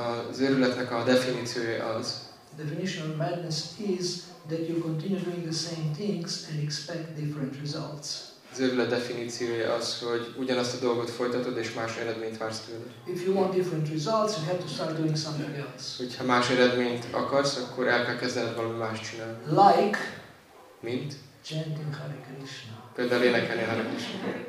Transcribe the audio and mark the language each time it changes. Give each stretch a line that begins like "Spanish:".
Hungarian: Az őrületnek a definíciója az.
English: Definition of madness is that you continue doing the same things and expect different results.
Hungarian: Az őrület definíciója az, hogy ugyanazt a dolgot folytatod és más eredményt vársz tőled.
English: If you want different results, you have to start doing something else.
Hungarian: Hogyha más eredményt akarsz, akkor el kell kezdened valami más csinálni.
English: Like.
Hungarian: Mint.
English: Chanting Hare Krishna.
Hungarian: Például énekelni Hare Krishna.